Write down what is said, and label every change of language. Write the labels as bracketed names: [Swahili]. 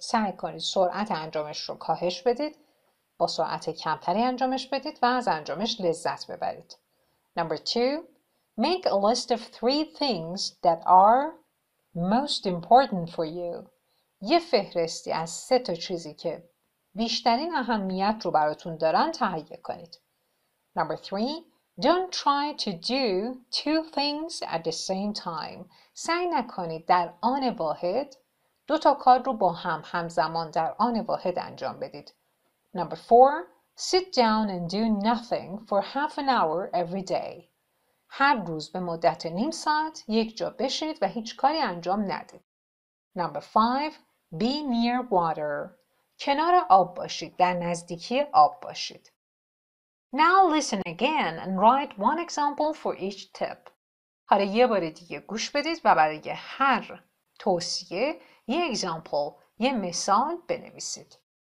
[Persian] سعی کنید سرعت انجامش رو کاهش بدید, با سرعت کمتری انجامش بدید و از انجامش لذت ببرید. [English] Number two, make a list of three things that are most important for you. [Persian] یه فهرستی از سه تا چیزی که بیشترین اهمیت رو براتون دارن تهیه کنید. [English] Number three, don't try to do two things at the same time. [Persian] سعی نکنید در آن واحد دو تا کار رو با هم همزمان در آن واحد انجام بدید. [English] Number four, sit down and do nothing for half an hour every day. [Persian] هر روز به مدت نیم ساعت یک جا بشینید و هیچ کاری انجام ندید. [English] Number five, be near water. [Persian] کنار آب باشید, در نزدیکی آب باشید. [English] Now listen again and write one example for each tip. [Persian] حالا یه بار دیگه گوش بدید و برای هر توصیه یه example, یه مثال بنویسید.